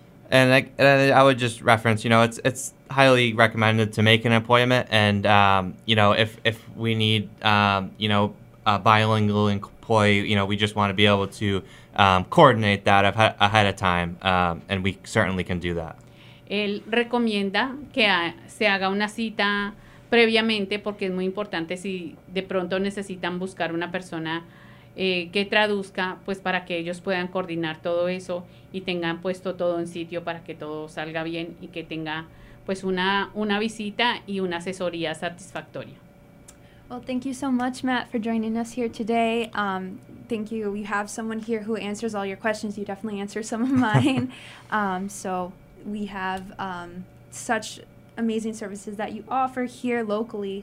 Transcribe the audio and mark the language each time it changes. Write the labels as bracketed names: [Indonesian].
[English] And I would just reference, you know, it's highly recommended to make an appointment. And, you know, if we need, you know, a bilingual employee, you know, we just want to be able to coordinate that ahead of time. And we certainly can do that. [Spanish] Él recomienda que se haga una cita previamente porque es muy importante si de pronto necesitan buscar una persona que traduzca, pues para que ellos puedan coordinar todo eso y tengan puesto todo en sitio para que todo salga bien y que tenga pues una visita y una asesoría satisfactoria. [English] Well, thank you so much, Matt, for joining us here today. Thank you. We have someone here who answers all your questions. You definitely answer some of mine. So we have such amazing services that you offer here locally.